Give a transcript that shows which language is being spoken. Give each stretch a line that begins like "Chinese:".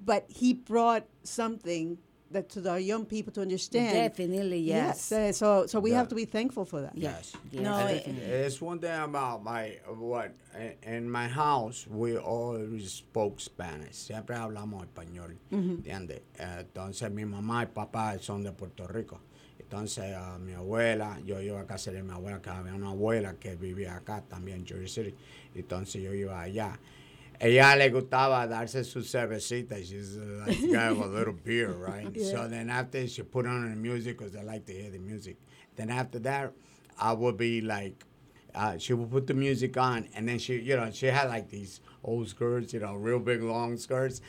English: But he brought something that to the young people to understand. Definitely, yes. So we have to be thankful for that. Yes. No, it's one thing about in my house, we always spoke Spanish.
Spanish: Siempre hablamos español, ¿entiendes? Entonces, mi mamá y papá son de Puerto Rico. Entonces, mi abuela, yo iba a casa de mi abuela, que había una abuela que vivía acá también, Jersey City. Entonces, yo iba allá. Ella le gustaba darse su cervecita.
English: She's like, you have a little beer, right? Yeah. So then after she put on the music because they like to hear the music. Then after that, I would be like, she would put the music on. And then she, you know, she had like these old skirts, you know, real big long skirts.